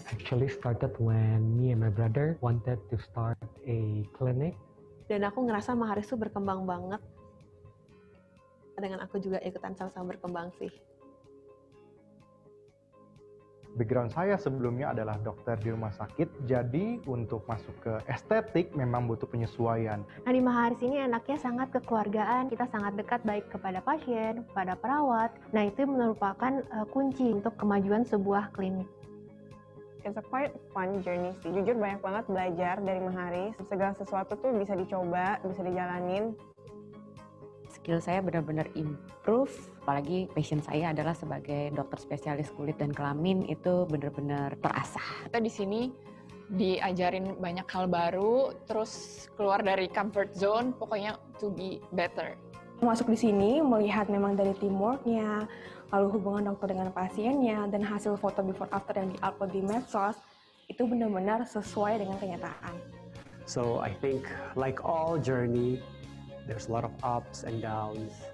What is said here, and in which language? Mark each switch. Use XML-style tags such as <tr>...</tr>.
<en>Actually started when me and my brother wanted to start a clinic.</en> <id>Dan aku ngerasa Maharis tuh berkembang banget. Dengan aku juga ikutan sama-sama berkembang sih. Background saya sebelumnya adalah dokter di rumah sakit. Jadi untuk masuk ke estetik memang butuh penyesuaian. Nah di Maharis ini enaknya sangat kekeluargaan. Kita sangat dekat baik kepada pasien, kepada perawat. Nah itu merupakan kunci untuk kemajuan sebuah klinik.</id> <en>It's a quite fun journey sih.</en> <id>Jujur banyak banget belajar dari Maharis. Segala sesuatu tuh bisa dicoba, bisa dijalanin. Skill saya benar-benar improve. Apalagi passion saya adalah sebagai dokter spesialis kulit dan kelamin itu benar-benar terasa. Kita di sini diajarin banyak hal baru, terus keluar dari comfort zone, pokoknya</id> <en>to be better.</en> <id>Masuk di sini melihat memang dari teamwork-nya, lalu hubungan dokter dengan pasiennya, dan hasil foto before after yang di-upload di medsos, itu benar-benar sesuai dengan kenyataan.</id> <en>So I think like all journey, there's a lot of ups and downs.</en>